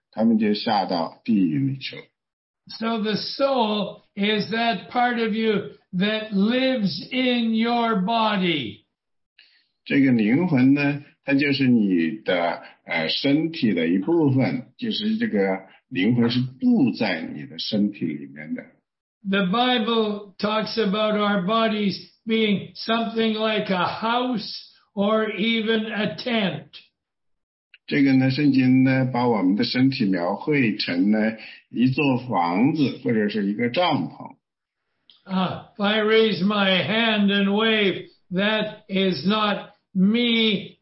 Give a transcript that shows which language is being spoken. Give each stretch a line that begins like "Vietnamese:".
Chinese: 这里呢，同样的呢，这个词也在这里，大家看到了这个，这是灵魂。这个灵魂呢，是信徒的灵魂，信徒的灵魂呢，就升到天上去了，去了天堂。那么这里呢，同样跟那个词是一样，也是灵魂。这是不信的人的灵魂，他们就下到地狱里去了。
English: So the soul is that part of you that lives in your body.
Chinese: 这个灵魂呢，它就是你的身体的一部分，就是这个灵魂是住在你的身体里面的。
English: The Bible talks about our bodies being something like a house or even a tent.
Chinese: 这个呢，圣经呢，把我们的身体描绘成呢一座房子或者是一个帐篷。
English: If I raise my hand and wave, that is not me.